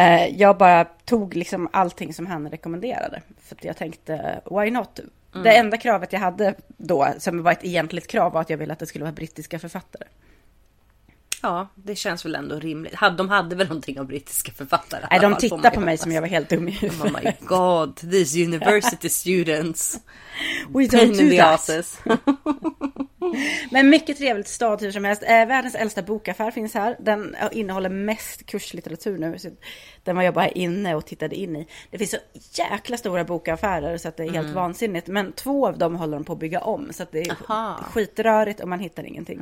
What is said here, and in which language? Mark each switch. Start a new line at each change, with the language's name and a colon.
Swedish: Jag bara tog liksom allting som han rekommenderade. För att jag tänkte,
English: why not?
Swedish: Mm. Det enda kravet jag hade då, som var ett egentligt krav, var att jag ville att det skulle vara brittiska författare. Ja, det känns väl ändå rimligt. De hade väl någonting av brittiska författare? Nej, de tittade på mig som jag var helt dum i huvudet.
English: Oh my god, these university students. We don't do that.
Swedish: Men mycket trevligt stad hur som helst. Världens äldsta bokaffär finns här. Den innehåller mest kurslitteratur nu. Så den var jag bara inne och tittade in i. Det finns så jäkla stora bokaffärer så att det är helt vansinnigt. Men två av dem håller de på att bygga om. Så att det är skitrörigt och man hittar ingenting.